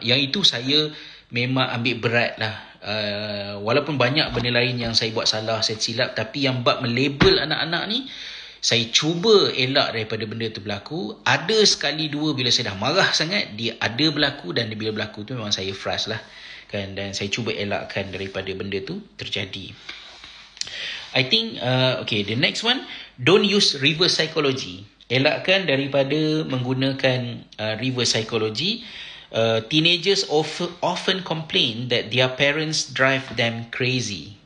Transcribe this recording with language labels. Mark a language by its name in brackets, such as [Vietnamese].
[Malay] Yang itu saya memang ambil berat lah. Walaupun banyak benda lain yang saya buat salah, saya silap, tapi yang bab melabel anak-anak ni, saya cuba elak daripada benda tu berlaku. Ada sekali dua bila saya dah marah sangat, dia ada berlaku, dan bila berlaku tu memang saya frust lah. Kan? Dan saya cuba elakkan daripada benda tu terjadi. [English] I think okay, the next one, don't use reverse psychology. [Malay] Elakkan daripada menggunakan reverse psychology. [English] Teenagers often complain that their parents drive them crazy.